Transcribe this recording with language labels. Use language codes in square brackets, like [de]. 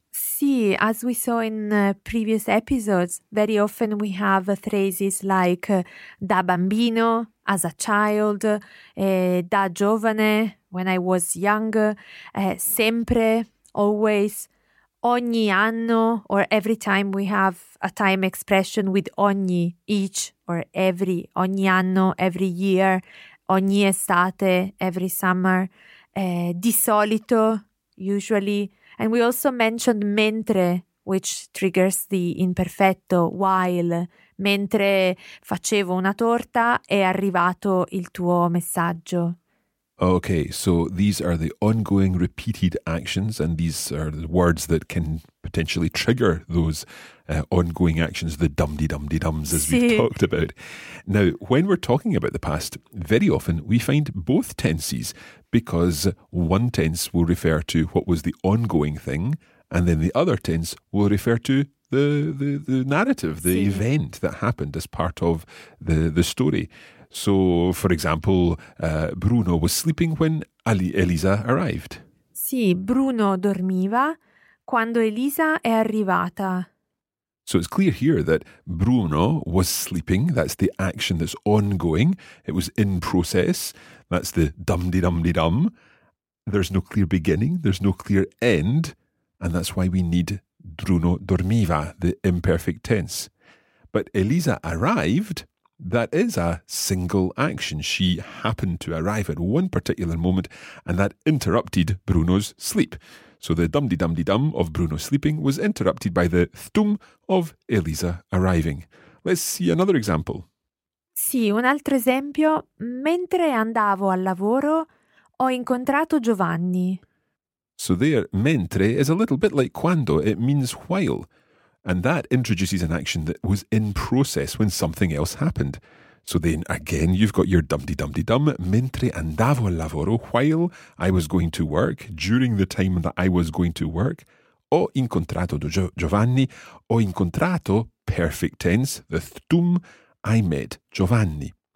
[en] See, as we saw in previous episodes, very often we have phrases like [it] da bambino, [en] as a child, [it] da giovane, [en] when I was young, sempre, always, [it] ogni anno, [en] or every time we have a time expression with ogni, each, or every, ogni anno, every year, [it] ogni estate, [en] every summer, [it] di solito, [en] usually. And we also mentioned mentre, which triggers the imperfetto, while. [it] Mentre facevo una torta, è arrivato il tuo messaggio. [en] Okay, so these are the ongoing repeated actions, and these are the words that can potentially trigger those ongoing actions, the dum-de-dum-de-dums, as we've talked about. Now, when we're talking about the past, very often we find both tenses, because one tense will refer to what was the ongoing thing, and then the other tense will refer to the narrative, the event that happened as part of the story. So, for example, Bruno was sleeping when Elisa arrived. [it] Sì, Bruno dormiva quando Elisa è arrivata. [en] So it's clear here that Bruno was sleeping. That's the action that's ongoing. It was in process. That's the dum-de-dum-de-dum. There's no clear beginning. There's no clear end. And that's why we need [it] Bruno dormiva, [en] the imperfect tense. But Elisa arrived, that is a single action. She happened to arrive at one particular moment, and that interrupted Bruno's sleep. So the dum-de-dum-de-dum of Bruno sleeping was interrupted by the thum of Elisa arriving. Let's see another example. [it] Sì, un altro esempio. Mentre andavo al lavoro, ho incontrato Giovanni. [en] So there, mentre is a little bit like quando. It means while. And that introduces an action that was in process when something else happened. So then again, you've got your dum-de-dum-de-dum. [it] Mentre andavo al lavoro, [en] while I was going to work, during the time that I was going to work, [it] ho incontrato Giovanni, ho incontrato, [en] perfect tense, the thum, I met Giovanni.